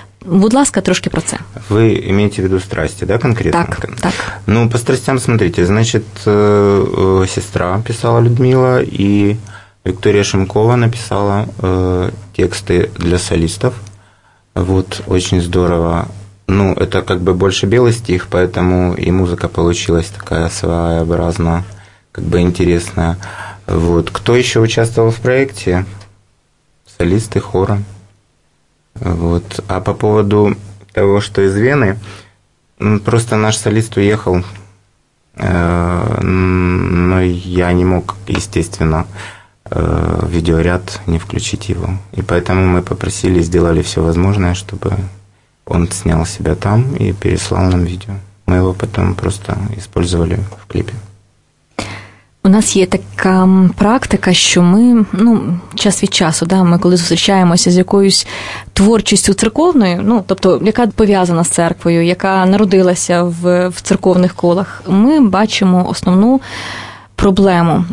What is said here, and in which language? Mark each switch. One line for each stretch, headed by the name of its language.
Ukrainian: Будь ласка, трошки про це. Ви маєте в виду страсті, да, конкретно? Так, так. Ну,
Russian: по страстям, смотрите,
Ukrainian: значить, сестра писала Людмила, і Вікторія Шимкова написала тексти для солістів.
Russian: Вот, очень здорово. Ну, это как бы больше белый стих, поэтому и музыка получилась такая своеобразно, как бы интересная. Вот, кто ещё участвовал в проекте? Солисты хора. Вот. А по поводу того, что из Вены, просто наш солист уехал, но я не мог, естественно, видеоряд не включить его. И поэтому мы попросили, сделали все возможное, чтобы он снял себя там и переслал нам видео. Мы его потом просто использовали в клипе.
Ukrainian: У нас є така практика, що ми, ну, час від часу, да, ми коли зустрічаємося з якоюсь творчістю церковною, ну, тобто, яка пов'язана з церквою, яка народилася в церковних колах, ми бачимо основну проблему.